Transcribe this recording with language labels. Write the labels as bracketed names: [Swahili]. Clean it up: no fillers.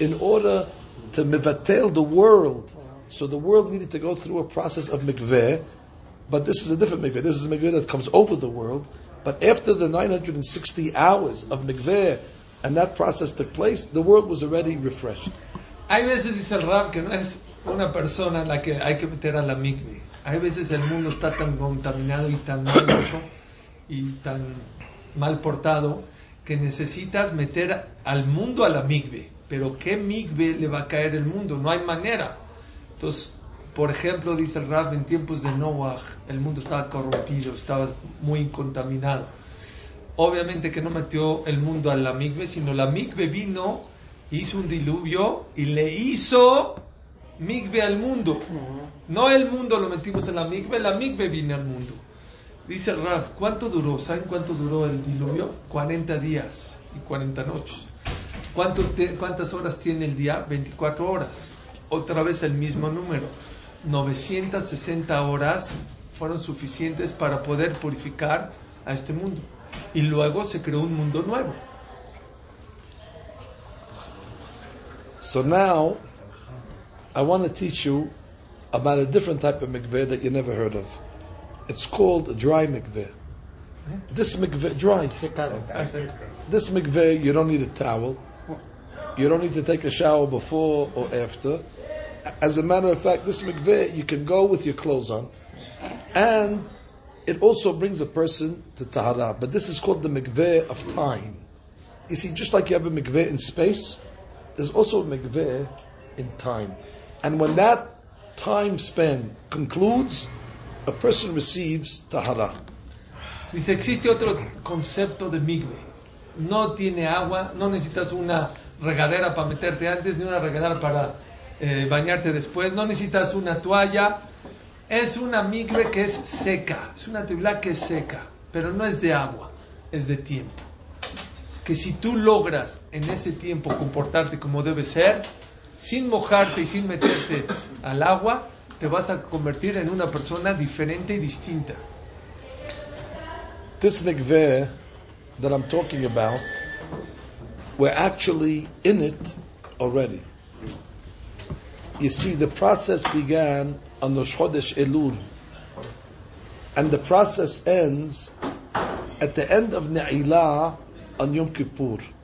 [English] In order to mivatel the world, so the world needed to go through a process of mikveh, but this is a different mikveh. This is a mikveh that comes over the world. But after the 960 hours of mikveh, and that process took place, the world was already refreshed. [Spanish] Hay veces, dice el Rab, que no es una persona en la que hay que meter a la mikveh. Hay veces el mundo está tan contaminado y tan mal hecho y tan mal portado que necesitas meter al mundo a la mikveh. Pero ¿qué mikveh le va a caer el mundo? No hay manera. Entonces, por ejemplo, dice el Rab, en tiempos de Noah, el mundo estaba corrompido, estaba muy contaminado. Obviamente que no metió el mundo a la mikveh, sino la mikveh vino, hizo un diluvio y le hizo mikveh al mundo. No el mundo lo metimos en la mikveh vino al mundo. Dice Raf, ¿cuánto duró? ¿Saben cuánto duró el diluvio? 40 días y 40 noches. ¿Cuántas horas tiene el día? 24 horas. Otra vez el mismo número. 960 horas fueron suficientes para poder purificar a este mundo. Y luego se creó un mundo nuevo. [English] So now, I want to teach you about a different type of mikveh that you never heard of. It's called a dry mikveh. This mikveh, dry. This mikveh, you don't need a towel. You don't need to take a shower before or after. As a matter of fact, this mikveh, you can go with your clothes on. And it also brings a person to tahara. But this is called the mikveh of time. You see, just like you have a mikveh in space, there's also a mikveh in time. And when that time span concludes, a person receives tahara. [Spanish] Dice, existe otro concepto de mikveh. No tiene agua, no necesitas una regadera para meterte antes, ni una regadera para bañarte después. No necesitas una toalla. Es una mikveh que es seca. Es una tefilá que es seca. Pero no es de agua, es de tiempo. Que si tú logras en ese tiempo comportarte como debe ser, sin mojarte y sin meterte al agua, te vas a convertir en una persona diferente y distinta. [English] This mikveh that I'm talking about, we're actually in it already. You see, the process began on Rosh Chodesh Elul, and the process ends at the end of Ne'ilah on Yom Kippur.